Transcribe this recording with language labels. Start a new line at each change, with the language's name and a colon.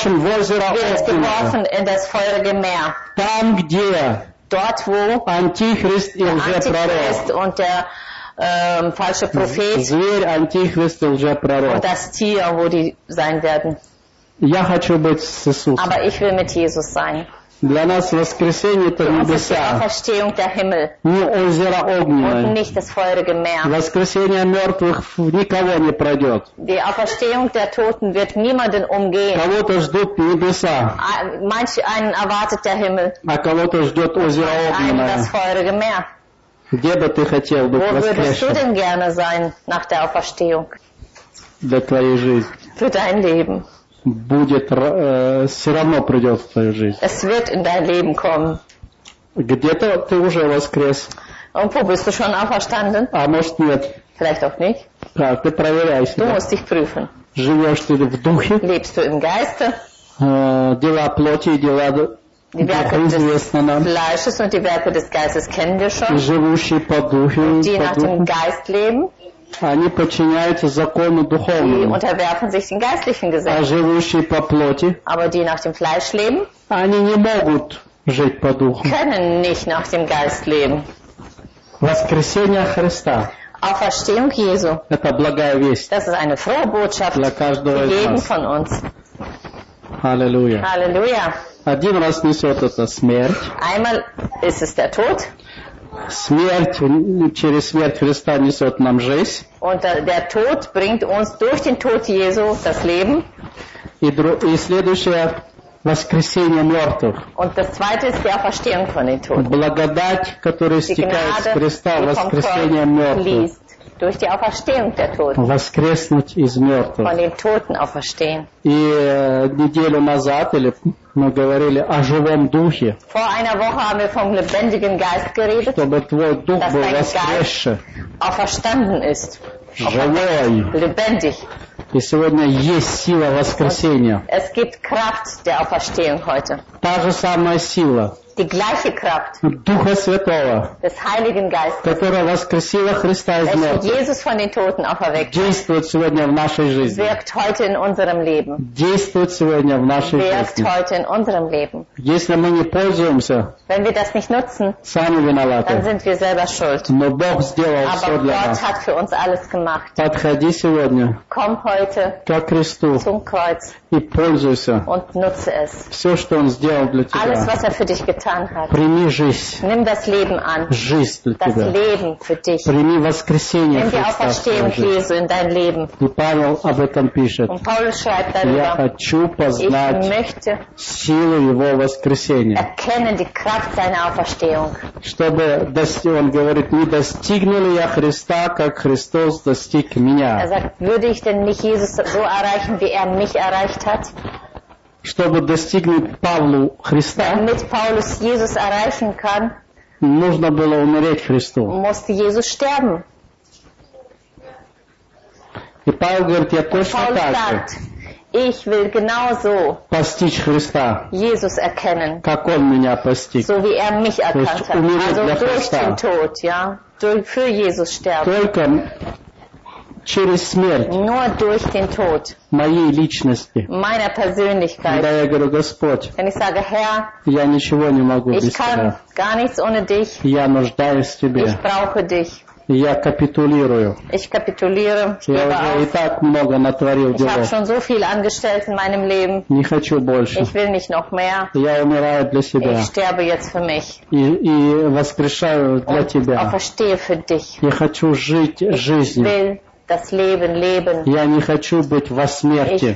German: geworfen in das feurige Meer. Dort, wo Antichrist, der Antichrist und der falsche Prophet und das Tier, wo die sein werden. Aber ich will mit Jesus sein.
Russian: Для нас воскресение это небеса.
German: Der Himmel,
Russian: не озеро огненное.
German: Und nicht das feurige Meer.
Russian: Воскресение мертвых никого не пройдет.
German: Die Auferstehung der Toten wird niemanden umgehen.
Russian: Кого-то ждут небеса.
German: Manch einen erwartet der Himmel.
Russian: А кого-то ждет озеро огненное.
German: Das feurige Meer.
Russian: Где бы ты хотел быть воскрешен?
German: Wo würdest du denn gerne sein nach der Auferstehung?
Russian: Для твоей жизни.
German: Für dein Leben.
Russian: Будет, все равно придет в твою жизнь.
German: Es wird in dein Leben kommen.
Russian: Где-то ты уже воскрес.
German: Und wo bist du schon auferstanden?
Russian: А может нет.
German: Vielleicht auch nicht.
Russian: Так, ты проверяй себя.
German: Du musst dich prüfen.
Russian: Живешь ты в духе?
German: Lebst du im Geiste?
Russian: Дела плоти и дела
German: Die Werke des Fleisches und die Werke des Geistes kennen wir schon.
Russian: Живущие по духе.
German: Die nach dem Geist leben.
Russian: Они подчиняются закону духовному.
German: Die unterwerfen sich den geistlichen Gesetzen.
Russian: А живущие по плоти.
German: Aber die nach dem Fleisch leben.
Russian: Они не могут жить по духу.
German: Können nicht nach dem Geist leben.
Russian: Воскресение Христа.
German: Auferstehung Jesu.
Russian: Это благая весть.
German: Das ist eine frohe Botschaft.
Russian: Для каждого из нас.
German: Von uns. Halleluja. Halleluja.
Russian: Один раз несет это смерть.
German: Einmal ist es der Tod.
Russian: Смерть, через смерть Христа несет нам жизнь.
German: Und der Tod bringt uns durch den Tod Jesu das Leben.
Russian: И следующее воскресение мертвых.
German: Und das zweite ist die Auferstehung von den Toten.
Russian: Благодать, которая истекает из Христа, воскресение мертвых.
German: Durch die Auferstehung der Toten.
Russian: Воскреснуть из мертвых.
German: Von den Toten auferstehen.
Russian: И неделю назад или мы говорили о живом духе.
German: Vor einer Woche haben wir vom lebendigen Geist geredet.
Russian: Чтобы твой дух был воскресший.
German: Auferstanden ist.
Russian: Живой.
German: Lebendig.
Russian: И сегодня есть сила воскресения.
German: Es gibt Kraft der Auferstehung heute.
Russian: Та же самая сила.
German: Die gleiche Kraft
Russian: Духа Святого,
German: des Heiligen Geistes,
Russian: которая воскресила Христа из мертвых,
German: Jesus von den Toten auferweckt,
Russian: действует сегодня в нашей жизни.
German: Wirkt heute in unserem Leben.
Russian: Действует сегодня в нашей
German: wirkt
Russian: жизни.
German: Heute in unserem Leben.
Russian: Если мы не пользуемся,
German: wenn wir das nicht nutzen,
Russian: сами виноваты,
German: dann sind wir selber schuld.
Russian: Но Бог сделал
German: Aber
Russian: все
German: Gott
Russian: для нас.
German: Hat für uns alles gemacht.
Russian: Подходи сегодня
German: Komm heute
Russian: ко Христу
German: zum Kreuz
Russian: и пользуйся
German: und nutze es.
Russian: Все, что Он сделал для тебя.
German: Alles, was er für dich getan Hat.
Russian: Прими жизнь.
German: Nimm das Leben an.
Russian: Жизнь для
German: das
Russian: тебя.
German: Leben für dich.
Russian: Прими воскресение
German: Nimm die Auferstehung Jesu in dein Leben.
Russian: И Павел об этом пишет.
German: Und Paulus schreibt darüber.
Russian: Я хочу познать
German: möchte
Russian: силу его воскресения.
German: Erkennen die Kraft seiner Auferstehung.
Russian: Чтобы он говорит, не достигну ли я Христа, как Христос достиг меня.
German: Er sagt, würde ich denn nicht Jesus so erreichen, wie er mich erreicht hat?
Russian: чтобы достигнуть Павлу Христа,
German: damit Paulus Jesus erreichen kann,
Russian: нужно было умереть Христу.
German: Musste Jesus sterben.
Russian: И Павел говорит, я точно так же.
German: Ich will genauso
Russian: постичь Христа,
German: Jesus erkennen,
Russian: как Он меня постиг.
German: So wie mich erkannt hat.
Russian: То есть,
German: also durch
Russian: Христа.
German: Den Tod, ja? Durch, für Jesus sterben.
Russian: Только через смерть
German: nur durch den Tod
Russian: моей личности,
German: meiner Persönlichkeit,
Russian: когда я говорю, Господь,
German: wenn ich sage, Herr,
Russian: я ничего не могу
German: ich
Russian: без
German: kann
Russian: тебя.
German: Gar nichts ohne dich.
Russian: Я нуждаюсь в Тебе.
German: Ich brauche dich.
Russian: Я капитулирую.
German: Ich kapituliere.
Russian: Я уже и так много натворил дел.
German: Ich habe schon so viel angestellt in meinem Leben.
Russian: Не хочу больше.
German: Ich will nicht noch mehr.
Russian: Я умираю для себя.
German: Ich sterbe jetzt für mich.
Russian: И воскрешаю для тебя.
German: Auferstehe für dich.
Russian: Я хочу жить жизнью.
German: Ich will das Leben leben.
Russian: Я не хочу быть во смерти.